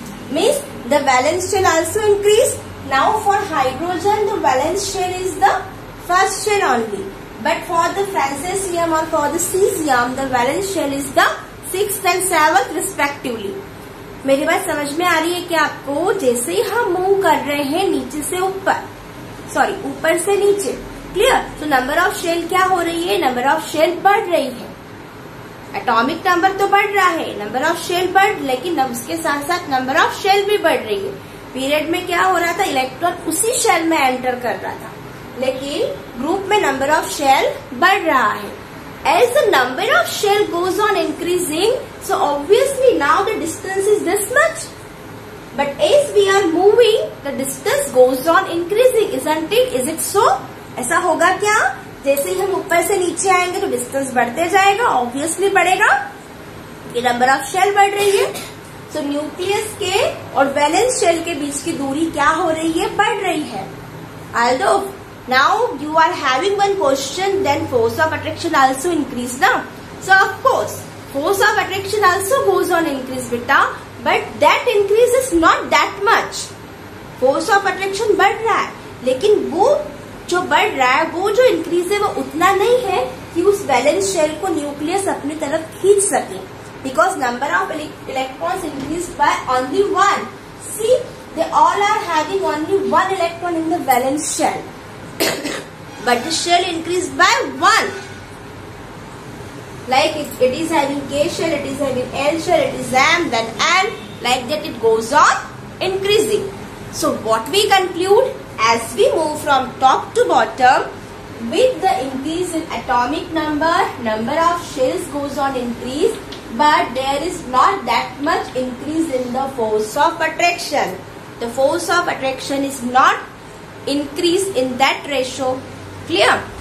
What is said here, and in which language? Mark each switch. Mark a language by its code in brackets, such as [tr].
[en] Means, the valence shell also increase. Now, for hydrogen, the valence shell is the first shell only. But for the francisium or for the cesium, the valence shell is the 6th and 7th respectively. [hi] मेरी बात समझ में आ रही है क्या आपको? जैसे ही हम मूव कर रहे हैं नीचे से ऊपर, सॉरी ऊपर से नीचे, क्लियर? तो नंबर ऑफ शेल क्या हो रही है? नंबर ऑफ शेल बढ़ रही है. एटॉमिक नंबर तो बढ़ रहा है, नंबर ऑफ शेल बढ़, लेकिन उसके साथ साथ नंबर ऑफ शेल भी बढ़ रही है. पीरियड में क्या हो रहा था? इलेक्ट्रॉन उसी शेल में एंटर कर रहा था, लेकिन ग्रुप में नंबर ऑफ शेल बढ़ रहा है. [en] as the number of shell goes on increasing, so obviously now the distance is this much. But as we are moving, the distance goes on increasing, isn't it? Is it so? [hi] ऐसा होगा क्या? जैसे ही हम ऊपर से नीचे आएंगे तो डिस्टेंस बढ़ते जाएगा, ऑब्वियसली बढ़ेगा, ये नंबर ऑफ शेल बढ़ रही है. सो न्यूक्लियस के और वैलेंस शेल के बीच की दूरी क्या हो रही है? बढ़ रही है. [en] Although now you are having one question, then force of attraction also increase ना. So of course force of attraction also goes on increase बेटा, but that increase is not that much. [hi] Force of attraction बढ़ रहा है लेकिन वो जो बढ़ रहा है, वो जो इंक्रीज है वो उतना नहीं है कि उस वैलेंस शेल को न्यूक्लियस अपनी तरफ खींच सके. [en] Because number of electrons increase by only one. See they all are having only one electron in the valence shell, but the shell increase by one. Like it is having K shell, it is having L shell, it is M, then N, like that it goes on increasing. So what we conclude, as we move from top to bottom, with the increase in atomic number, number of shells goes on increase, but there is not that much increase in the force of attraction. The force of attraction is not increase in that ratio. Clear?